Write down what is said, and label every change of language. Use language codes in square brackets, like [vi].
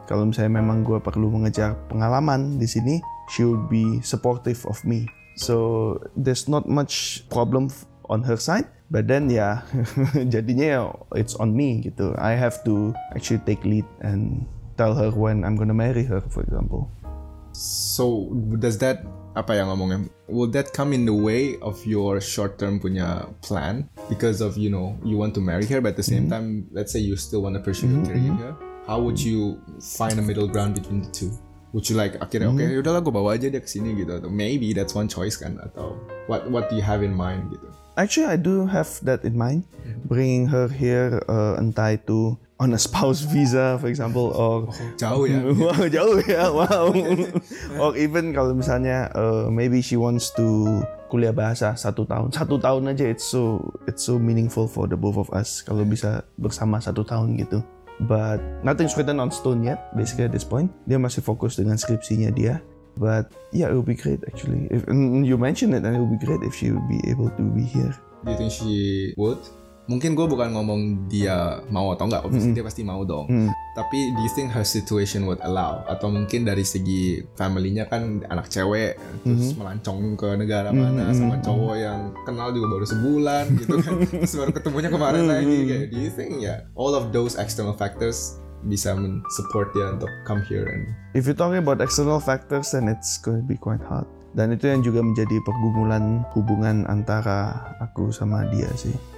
[id] Kalau misalnya memang gue perlu mengejar pengalaman di sini, [en] she would be supportive of me. So there's not much problem on her side. But then yeah, [id] jadinya [en] it's on me [id] gitu. [en] I have to actually take lead and tell her when I'm gonna marry her, for example. So does that [id] apa yang ngomongnya? [en] Will that come in the way of your short-term [id] punya [en] plan? Because of, you know, you want to marry her, but at the same time, let's say you still want to pursue your career here. How would you find a middle ground between the two? Would you like, [id] akhirnya, [en] okay, [id] yaudahlah gue bawa aja dia kesini gitu. [en] Maybe that's one choice [id] kan, atau [en] what do you have in mind [id] gitu? [en] Actually, I do have that in mind. Bringing her here, [id] entah itu [en] on a spouse visa, for example, or... [id] Jauh ya. [en] Or even [id] kalau misalnya, [en] maybe she wants to [id] kuliah bahasa satu tahun aja, [en] it's so meaningful for the both of us [id] kalau bisa bersama satu tahun gitu. [en] But nothing's written on stone yet, basically at this point. [id] Dia masih fokus dengan skripsinya dia. [en] But yeah, it would be great actually. If you mention it, then it would be great if she would be able to be here. Do you think she would? [id] Mungkin gue bukan ngomong dia mau atau enggak, [en] obviously [id] dia pasti mau dong. Tapi [en] do you think her situation would allow? [id] Atau mungkin dari segi family-nya kan anak cewek, terus melancong ke negara mana sama cowok yang kenal juga baru sebulan gitu kan. Terus baru ketemunya kemarin lagi. Kayak, [en] do you think all of those external factors [id] bisa [en] support [id] dia untuk [en] come here? And if you're talking about external factors, then it's going to be quite hard. [id] Dan itu yang juga menjadi pergumulan hubungan antara aku sama dia sih.